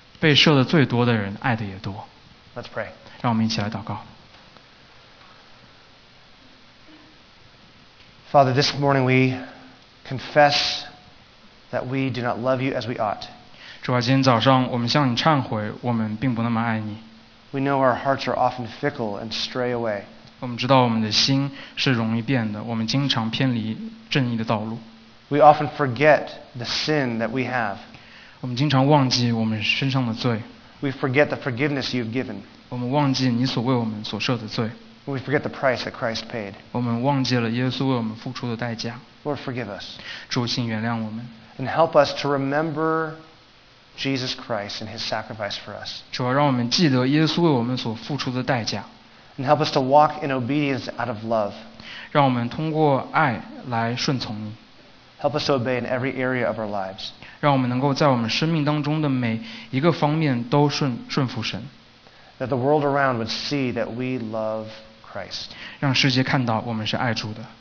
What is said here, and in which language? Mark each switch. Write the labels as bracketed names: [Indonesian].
[Chinese] 被赦的最多的人，爱的也多。 [English] Let's pray. [Chinese] 让我们一起来祷告。 [English] Father, this morning we confess that we do not love you as we ought. [Chinese] 主啊，今天早上我们向你忏悔，我们并不那么爱你。 [English] We know our hearts are often fickle and stray away. [Chinese] 我们知道我们的心是容易变的，我们经常偏离正义的道路。 [English] We often forget the sin that we have. [Chinese] 我们经常忘记我们身上的罪。 [English] We forget the forgiveness you've given. [Chinese] 我们忘记你所为我们所赦的罪。 [English] We forget the price that Christ paid. [Chinese] 我们忘记了耶稣为我们付出的代价。 [English] Lord, forgive us. [Chinese] 主，请原谅我们。 [English] And help us to remember Jesus Christ and his sacrifice for us. [Chinese] 主啊，让我们记得耶稣为我们所付出的代价。 [English] And help us to walk in obedience out of love. [Chinese] 让我们通过爱来顺从你。 [English] Help us to obey in every area of our lives. [Chinese] 让我们能够在我们生命当中的每一个方面都顺服神。 [English] That the world around would see that we love Christ. [Chinese] 让世界看到我们是爱主的。